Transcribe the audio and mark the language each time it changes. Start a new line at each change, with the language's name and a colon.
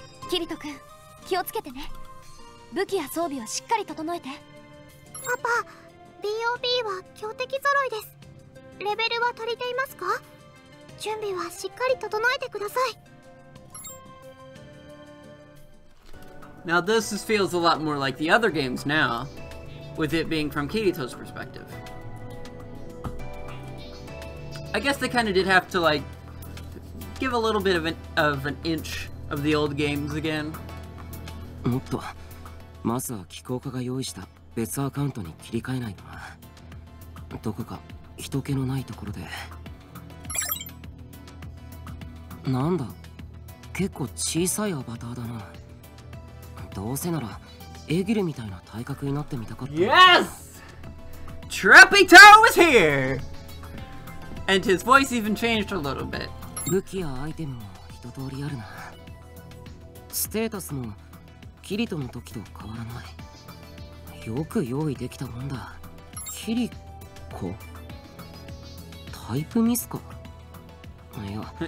Japanese: キリト君、気をつけてね。武器や装備をしっかり整えて。パパ、 BOB は強敵揃いです。レベルは足りていますか？準備はしっかり整えてください。
English: Now this feels a lot more like the other games now, with it being from Kirito's perspective. I guess they kind of did have to like give a little bit of an inch of the old games again.
Japanese: もっと、まずは気候科が用意した別アカウントに切り替えないとな。どこか人気のないところで。なんだ、結構小さいアバターだな。どうせならエギルみたいな体格になってみたかった。
English: Yes! Trapito is here! And his voice even changed a little bit.
Japanese: 武器やアイテムも一通りあるな。ステータスもキリトの時と変わらない。よく用意できたもんだ。キリコ？タイプミスか？いや、